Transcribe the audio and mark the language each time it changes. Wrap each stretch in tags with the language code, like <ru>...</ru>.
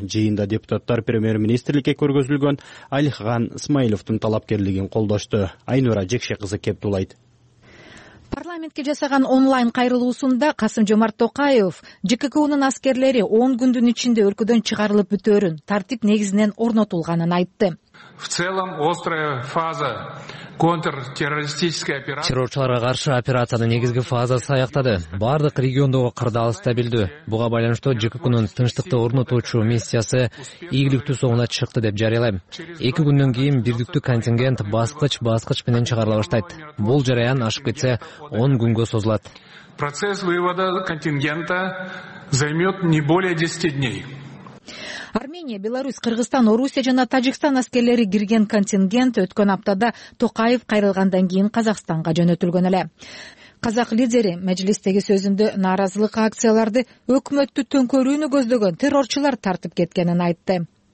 <ky>Жыйында депутаттар премьер-министрликке көргөзүлгөн Алихан Смаиловдун талапкерлигин колдошту. Айнура Жекше кызы кептулайт. Парламентке жасаган онлайн кайрылуусунда Касым Жомарт Токаев ЖККУнун аскерлери 10 күндүн ичинде өлкөдөн чыгарылып бүтөрүн, тартип негизинен орнотулганын айтты.</ky> <ru>В целом острая фаза контртеррористической операции.</ru> <ky>Террорчуларга каршы операциянын негизги фазасы аяктады. Бардык региондогу кырдаал стабилдүү. Буга байланыштуу ЖККУнун тынчтыкты орнотуучу миссиясы ийгиликтүү соңуна чыкты деп жарыялайм. 2 күндөн кийин бирдиктүү контингент баскыч-баскыч менен чыгарыла баштайт. Бул жараян ашып кетсе 10 күнгө созулат.</ky> <ru>Процесс вывода контингента займёт не более 10 дней.</ru> <ky>Армения, Беларусь, Кыргызстан, Орусия жана Тажикстан аскерлери кирген контингент өткөн аптада Токаев кайрылгандан кийин Казакстанга жөнөтүлгөн эле. Казак лидери мажилистеги сөзүндө нааразылык акцияларды өкмөттү төңкөрүүнү көздөгөн террорчулар тартып кеткенин айтты.</ky>